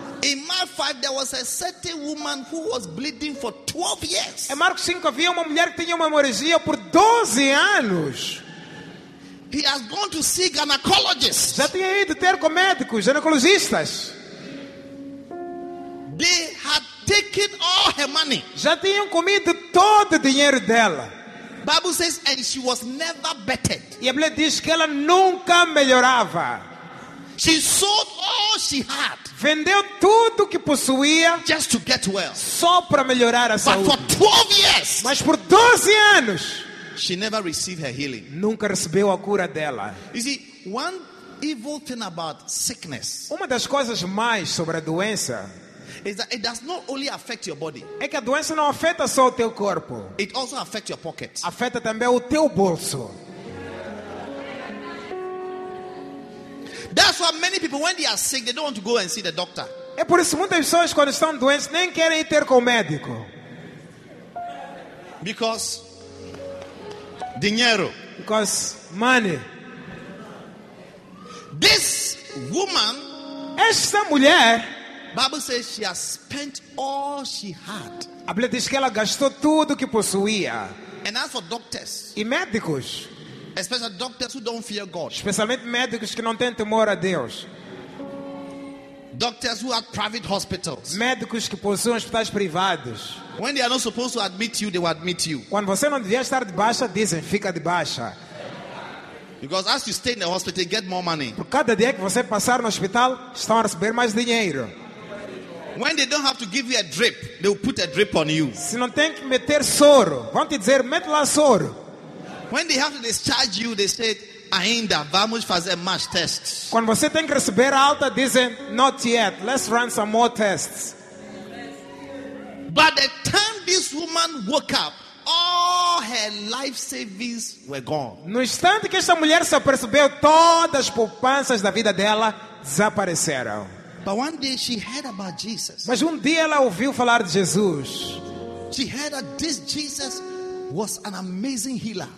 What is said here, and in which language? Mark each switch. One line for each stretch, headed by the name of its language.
English: In Mark 5, there was a certain woman who was bleeding for 12 years.
Portuguese: Em Marcos 5 havia uma mulher que tinha uma hemorragia por 12 anos.
English: He has gone to see gynecologists.
Portuguese: Já tinha ido ter com médicos, ginecologistas.
English: They had taken all her money.
Portuguese: Já tinham comido todo o dinheiro dela.
English: Bible says, and she was never bettered.
Portuguese: E a Bíblia diz que ela nunca melhorava.
English: She sold all she had.
Portuguese: Vendeu tudo que possuía.
English: Just to get well.
Portuguese: Só para melhorar a
English: But
Portuguese: saúde.
English: For 12 years.
Portuguese: Mas por 12 anos.
English: She never received her healing.
Portuguese: Nunca recebeu a cura dela.
English: You see, one evil thing about sickness,
Portuguese: uma das coisas mais sobre a doença,
English: is that it does not only affect your body.
Portuguese: É que a doença não afeta só o teu corpo.
English: It also affects your pocket.
Portuguese: Afeta também o teu bolso.
English: That's why many people, when they are sick, they don't want to go and see the doctor.
Portuguese: É por isso muitas pessoas quando estão doentes nem querem ir ter com o médico.
English: Because
Portuguese: dinheiro.
English: Because money. This woman,
Portuguese: esta mulher,
English: Bible says she has spent all she had.
Portuguese: A Bíblia diz que ela gastou tudo que possuía.
English: And as for doctors,
Portuguese: e médicos,
English: especially doctors who don't fear God,
Portuguese: especialmente médicos que não têm temor a Deus,
English: doctors who have private hospitals,
Portuguese: médicos que possuem hospitais privados,
English: when they are not supposed to admit you, they will admit you.
Portuguese: Quando você não devia estar de baixa, dizem fica de baixa.
English: Because as you stay in the hospital, you get more money.
Portuguese: Por cada dia que você passar no hospital, estão a receber mais dinheiro.
English: When they don't have to give you a drip, they will put a drip on you.
Portuguese: Se não tem que meter soro, vão te dizer mete lá soro.
English: When they have to discharge you, they say,
Portuguese: ainda vamos fazer mais testes. Quando você tem que receber alta, dizem
English: not yet, let's run some more tests. By the time this woman woke up, all her life savings were gone.
Portuguese: No instante que esta mulher se apercebeu, todas as poupanças da vida dela desapareceram.
English: But one day she heard about Jesus.
Portuguese: Mas dia ela ouviu falar de Jesus.
English: She heard that this Jesus was an amazing healer.